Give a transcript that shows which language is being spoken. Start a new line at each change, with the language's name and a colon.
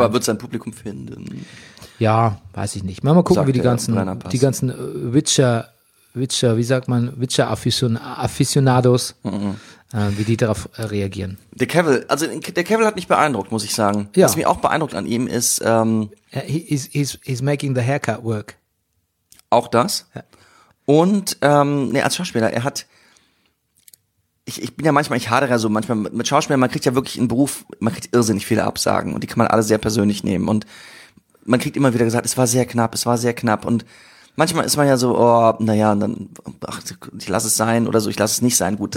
German: Aber wird sein Publikum finden? Ja, weiß ich nicht. Mal gucken, sagt wie die ganzen Witcher, wie sagt man, Witcher-Aficionados, wie die darauf reagieren. Der Cavill, also der Cavill hat mich beeindruckt, muss ich sagen. Ja. Was mich auch beeindruckt an ihm ist,
English: He's making the haircut work.
German: Auch das? Ja. Und, als Schauspieler, er hat, ich bin ja manchmal, ich hadere ja so manchmal mit Schauspielern, man kriegt ja wirklich einen Beruf, man kriegt irrsinnig viele Absagen und die kann man alle sehr persönlich nehmen und man kriegt immer wieder gesagt, es war sehr knapp und manchmal ist man ja so, oh, naja, dann, ach, ich lasse es sein oder so, ich lasse es nicht sein.